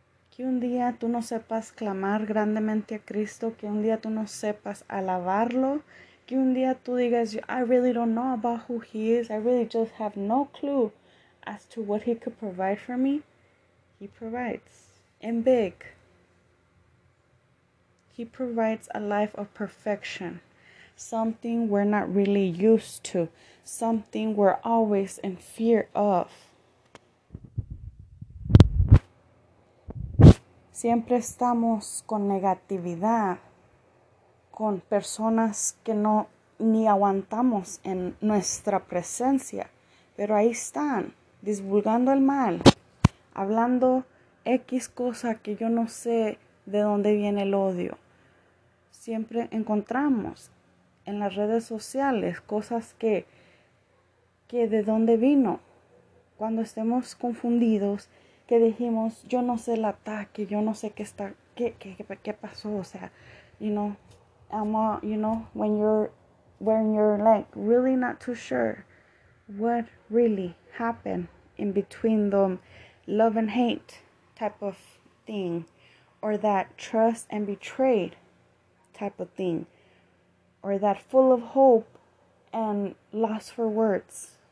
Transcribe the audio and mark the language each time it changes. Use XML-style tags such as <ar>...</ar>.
<es>Que un día tú no sepas clamar grandemente a Cristo, que un día tú no sepas alabarlo, que un día tú digas,</es> <en>I really don't know about who he is, I really just have no clue as to what he could provide for me. He provides, and big. He provides a life of perfection, something we're not really used to, something we're always in fear of.</en> <es>Siempre estamos con negatividad, con personas que no ni aguantamos en nuestra presencia. Pero ahí están, divulgando el mal, hablando X cosa que yo no sé de dónde viene el odio. Siempre encontramos en las redes sociales cosas que de dónde vino. Cuando estemos confundidos, que dijimos, yo no sé el ataque, yo no sé qué pasó, o sea,</es> <en>you know, when you're like really not too sure what really happened in between the love and hate type of thing, or that trust and betrayed type of thing, or that full of hope and lost for words.</en>